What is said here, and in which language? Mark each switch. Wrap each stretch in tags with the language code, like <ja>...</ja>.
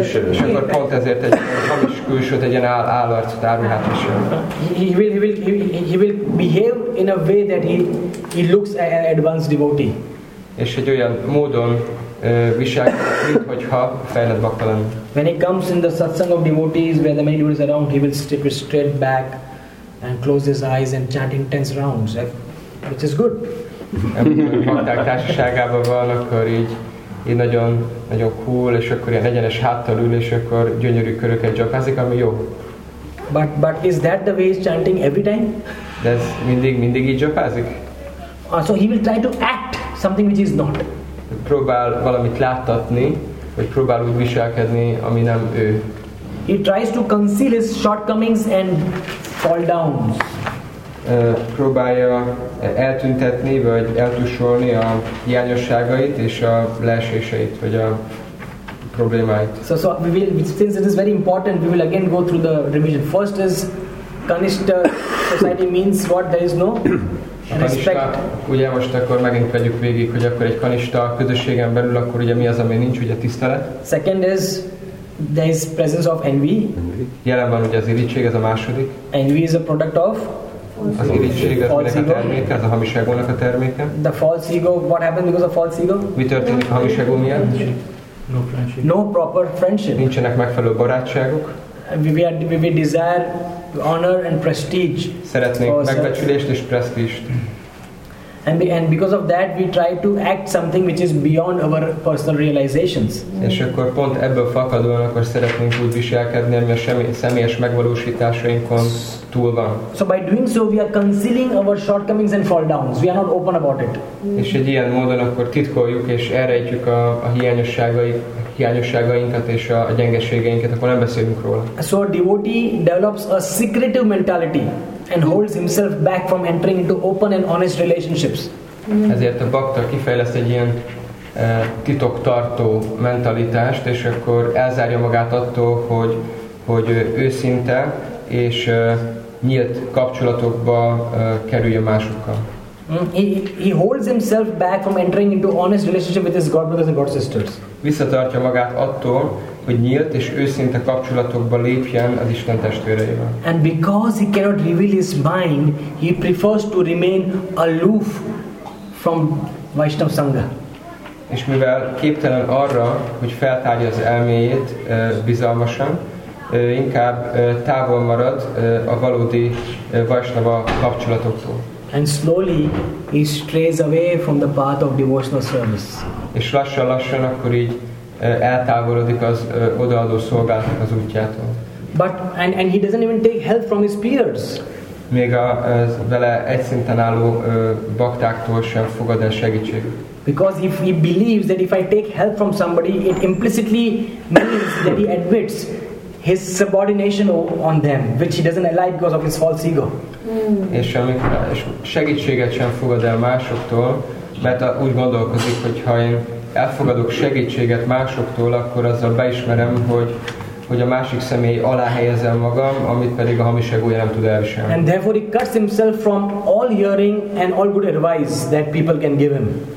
<hu>És akkor pont ezért egy hamis külsőt, egy ilyen állarcot árulhat is.</hu> <en>He will behave in a way that he looks an advanced devotee.</en> <hu>És egy olyan módon viselkedik, mint hogyha fejlett bhakta lenne.</hu> <en>When he comes in the satsang of devotees, where the many devotees are around, he will step straight back and close his eyes and chant intense rounds, which is good.</en> <hu>Amikor bhakták társaságában van, akkor így nagyon, nagyon cool, és akkor ilyen egyenes háttal ül, és akkor gyönyörű köröket japázik, ami jó.</hu> <en>But is that the way he's chanting every time?</en> <hu>De ez mindig így japázik?</hu> <en>So he will try to act something which is not.</en> <hu>Próbál valamit láttatni, vagy próbál úgy viselkedni, ami nem ő.</hu> <en>He tries to conceal his shortcomings and fall down.</en> <hu>Próbálja eltüntetni, vagy eltusolni a hiányosságait és a leeséseit, vagy a problémáit.</hu> <en>So we will, since it is very important, we will again go through the revision. First is Kanishta society means what? There is no</en> <hu>Kanista, ugye most akkor megint vegyük végig, hogy akkor egy kanista közösségen belül, akkor ugye mi az, ami nincs, ugye tisztelet.</hu> <en>Second is, there is presence of envy.</en> <hu>Jelen van ugye az irítség, ez a második.</hu> <en>Envy is a product of?</en> <hu>Az irítség, ez minek a terméke, ez a hamiságónak a terméke.</hu> <en>The false ego, what happened because of false ego?</en> <hu>Mi történik a hamiságó miatt?</hu> <en>No friendship. No proper friendship.</en> <hu>Nincsenek megfelelő barátságok.</hu> <en>We desire honor and prestige.</en> <hu>Szeretnénk megbecsülést és presztízst.</hu> <en>And because of that we try to act something which is beyond our personal realizations.</en> <hu>És akkor pont ebből fakadóan akkor szeretnénk úgy viselkedni, ami a személyes megvalósításainkon túl van.</hu> <en>So by doing so we are concealing our shortcomings and fall downs. We are not open about it.</en> <hu>És egy ilyen módon akkor titkoljuk és elrejtjük a hiányosságainkat és a gyengeségeinket, akkor nem beszélünk róla.</hu> <en>So a devotee develops a secretive mentality and holds himself back from entering into open and honest relationships.</en> <hu>Ezért a bhakta kifejleszt egy ilyen titoktartó mentalitást, és akkor elzárja magát attól, hogy őszinte és nyílt kapcsolatokba kerüljön másokkal.</hu> <en>He holds himself back from entering into honest relationship with his godbrothers and godsisters.</en> <hu>Visszatartja magát attól, hogy nyílt és őszinte kapcsolatokba lépjen az Isten testvéreivel.</hu> <en>And because he cannot reveal his mind, he prefers to remain aloof from Vaishnava Sangha.</en> <hu>És mivel képtelen arra, hogy feltárja az elméjét bizalmasan, inkább távol marad a valódi Vaishnava kapcsolatoktól.</hu> <en>And slowly he strays away from the path of devotional service.</en> <hu>És lassan-lassan akkor így eltávolodik az odaadó szolgálatnak az útjától.</hu> <en>But he doesn't even take help from his peers.</en> <hu>Még az vele egy szinten álló baktáktól sem fogad el segítség.</hu> <en>Because if he believes that if I take help from somebody, it implicitly means that he admits his subordination on them, which he doesn't like because of his false ego.</en> <hu>És amikor segítséget sem fogad el másoktól, mert úgy gondolkozik, hogy ha én elfogadok segítséget másoktól, akkor azzal beismerem, hogy a másik személy aláhelyezem magam, amit pedig a hamis egója nem tud elviselni.</hu> <en>And therefore he cuts himself from all hearing and all good advice that people can give him.</en>